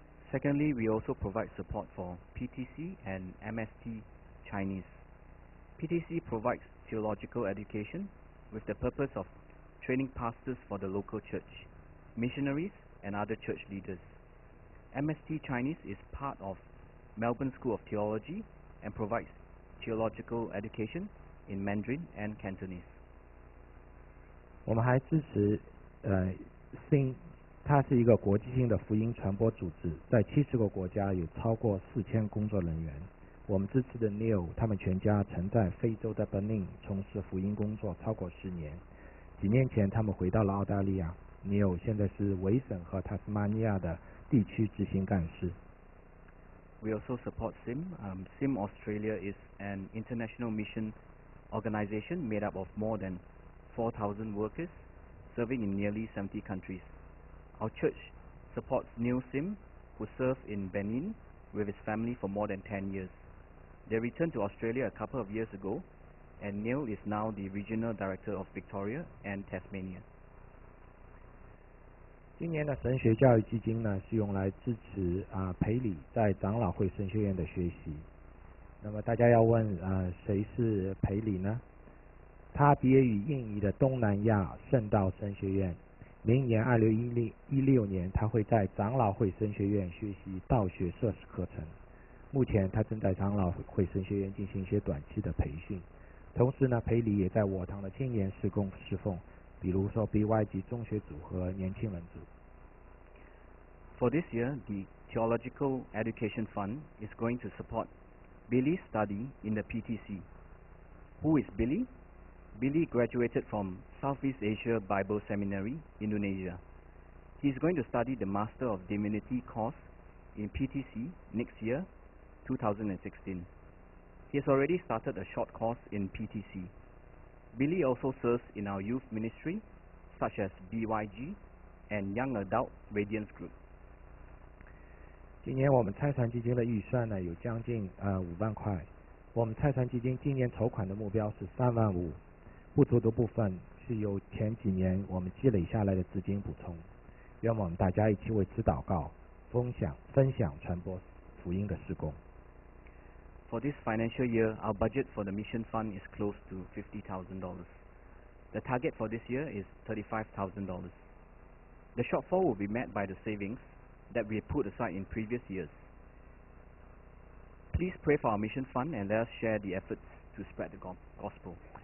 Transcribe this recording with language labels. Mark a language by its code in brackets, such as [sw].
[en] Secondly, we also provide support for PTC and MST Chinese. PTC provides theological education with the purpose of training pastors for the local church, missionaries, and other church leaders. MST Chinese is part of Melbourne School of Theology and provides theological education in Mandarin and Cantonese. [zh] 我们还支持新，它是一个国际性的福音传播组织，在70个国家有超过4000工作人员。我们支持的 Neil， 他们全家曾在非洲的 Benin 从事福音工作超过10年。几年前他们回到了澳大利亚。 Neil 现在是维省和塔斯马尼亚的。地区执行干事。 [en] We also support SIM. SIM Australia is an international mission organization made up of more than 4,000 workers serving in nearly 70 countries. Our church supports Neil Sim, who served in Benin with his family for more than 10 years. They returned to Australia a couple of years ago, and Neil is now the regional director of Victoria and Tasmania. [zh] 今年的神学教育基金呢，是用来支持培理在长老会神学院的学习。那么大家要问谁是培理呢？他毕业于印尼的东南亚圣道神学院。明年2016年，他会在长老会神学院学习道学硕士课程。目前他正在长老会神学院进行一些短期的培训。同时呢，培理也在我堂的青年事工侍奉。比如说 BY 级中学组和年轻人组。 [en] For this year, the Theological Education Fund is going to support Billy's study in the PTC. Who is Billy? Billy graduated from Southeast Asia Bible Seminary, Indonesia. He is going to study the Master of Divinity course in PTC next year, 2016. He has already started a short course in PTC. Billy also serves in our youth ministry, such as BYG and Young Adult Radiance Group. [zh] 今年我们财产基金的预算呢，有将近50,000块。我们财产基金今年筹款的目标是35,000，不足的部分是由前几年我们积累下来的资金补充。愿我们大家一起为此祷告，分享传播福音的事工。 [en] For this financial year, our budget for the mission fund is close to $50,000. The target for this year is $35,000. The shortfall will be met by the savings that we put aside in previous years. Please pray for our mission fund and let us share the efforts to spread the gospel.